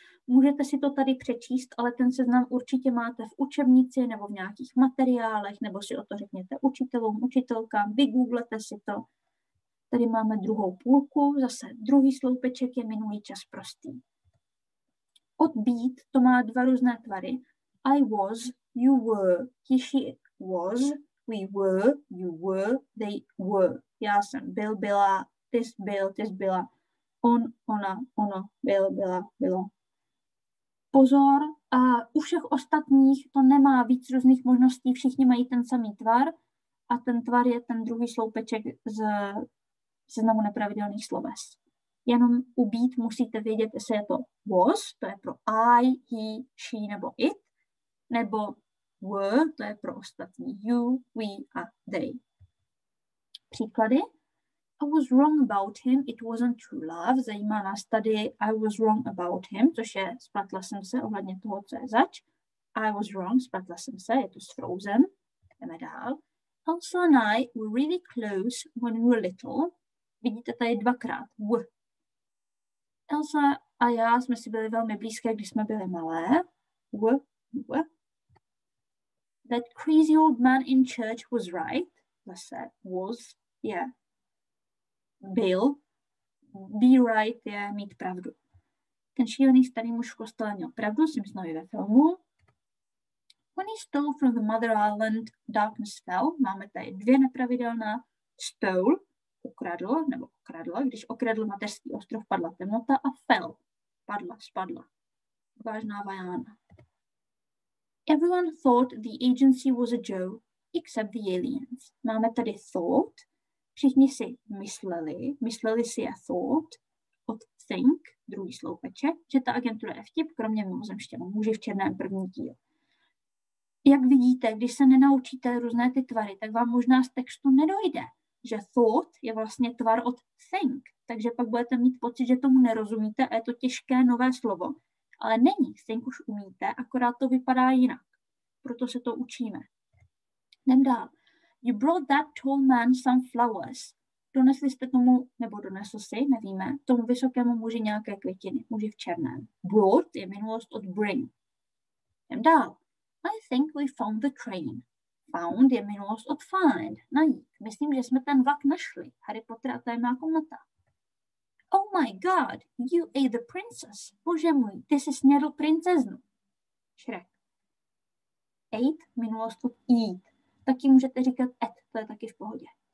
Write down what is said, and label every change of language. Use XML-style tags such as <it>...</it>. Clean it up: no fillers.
<cs>Můžete si to tady přečíst, ale ten seznam určitě máte v učebnici nebo v nějakých materiálech, nebo si o to řekněte učitelům, učitelkám, vygooglete si to. Tady máme druhou půlku, zase druhý sloupeček je minulý čas prostý. Od beat to má dva různé tvary.</cs> <en>I was, you were, he, she was, we were, you were, they were.</en> <cs>Já jsem byl, byla, this byl, this byla, on, ona, ono, byl, byla, bylo. Pozor, a u všech ostatních to nemá víc různých možností, všichni mají ten samý tvar a ten tvar je ten druhý sloupeček z seznamu nepravidelných sloves. Jenom u být musíte vědět, jestli je to was, to je pro I, he, she nebo it, nebo were, to je pro ostatní you, we a they. Příklady.</cs> <en>I was wrong about him, it wasn't true love.</en> <cs>Zajímá nás tady</cs> <en>I was wrong about him,</en> <cs>což je spletla jsem se ohledně toho, co je zač.</cs> <en>I was wrong,</en> <cs>spletla jsem se, je to s Frozen. Jdeme dál.</cs> <en>Elsa and I were really close when we were little.</en> <cs>Vidíte tady dvakrát. W. Elsa a já jsme si byli velmi blízké, když jsme byli malé. W. W.</cs> <en>That crazy old man in church was right.</en> <cs>Zase was, yeah. Byl. Be right je mít pravdu. Ten šílený starý muž v kostele měl pravdu, si myslím, ve filmu.</cs> <en>When he stole from the Mother Island, darkness fell.</en> <cs>Máme tady dvě nepravidelná. Stole, ukradl, nebo ukradla. Když okradl mateřský ostrov, padla temnota a fell. Padla, spadla. Vážná Vajána.</cs> <en>Everyone thought the agency was a joke, except the aliens.</en> <cs>Máme tady thought. Všichni si mysleli, mysleli si a thought od think, druhý sloupeček, že ta agentura je vtip, kromě mimozemštěnů, muži v černém první díl. Jak vidíte, když se nenaučíte různé ty tvary, tak vám možná z textu nedojde, že thought je vlastně tvar od think, takže pak budete mít pocit, že tomu nerozumíte a je to těžké nové slovo. Ale není, think už umíte, akorát to vypadá jinak. Proto se to učíme. Jdem dál.</cs> <en>You brought that tall man some flowers.</en> <cs>Donesli jste tomu, nebo donesl si, nevíme, tomu vysokému muži nějaké květiny, muži v černém. Brought je minulost od bring. Jdem dál.</cs> <en>I think we found the train.</en> <cs>Found je minulost od find. Najít. Myslím, že jsme ten vlak našli. Harry Potter a tajemná komnata.</cs> <en>Oh my god, you ate the princess.</en> <cs>Bože můj, ty jsi snědl princeznu. Shrek. Ate, minulost od eat. Taky můžete říkat et, to je taky v pohodě.</cs>